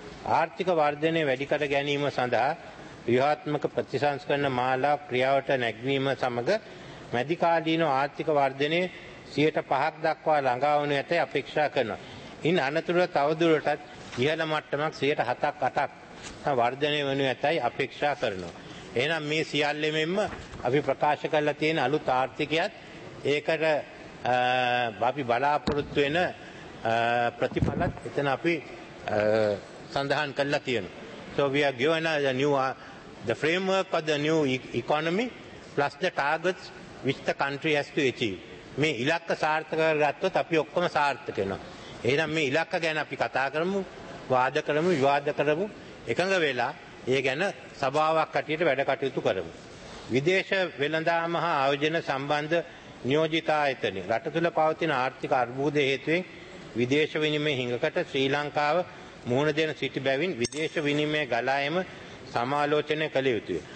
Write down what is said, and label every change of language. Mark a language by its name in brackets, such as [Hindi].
[Sinhala] ආර්ථික වර්ධනය වැඩි කර ගැනීම සඳහා ව්‍යුහාත්මක ප්‍රතිසංස්කරණ මාලා ක්‍රියාවට නැගීම සමග මැදිකාලීන ආර්ථික වර්ධනය 5%ක් දක්වා ළඟාවනු ඇතැයි අපේක්ෂා කරනවා. ඉන් අනතුරුව තවදුරටත් ඉහළ මට්ටමක් 7%, 8% වර්ධනය වනු ඇතැයි අපේක්ෂා කරනවා. එහෙනම් මේ සියල්ලෙමෙන්ම අපි ප්‍රකාශ කරලා තියෙන අලුත් ආර්ථිකයත් ඒකට අපි බලාපොරොත්තු වෙන ප්‍රතිඵලත් එතන අපි සඳහන් කරලා තියෙනවා. [English] So we are given a new the framework of the new economy plus the targets which the country has to achieve. [Sinhala] මේ ඉලක්ක සාර්ථක කරගත්තොත් අපි ඔක්කොම සාර්ථක වෙනවා. එහෙනම් මේ ඉලක්ක ගැන අපි කතා කරමු, වාද කරමු, විවාද කරමු, එකඟ වෙලා ඒ ගැන සභාවක් හැටියට වැඩ කටයුතු කරමු. විදේශ වෙළඳාම හා ආයෝජන සම්බන්ධ නියෝජිත ආයතනය රට තුළ පවතින ආර්ථික අර්බුදය හේතුවෙන් විදේශ විනිමය හිඟකට ශ්‍රී ලංකාව මුහුණ දෙන සිටි බැවින් විදේශ විනිමය ගලා එම සමාලෝචනය කළ යුතුය.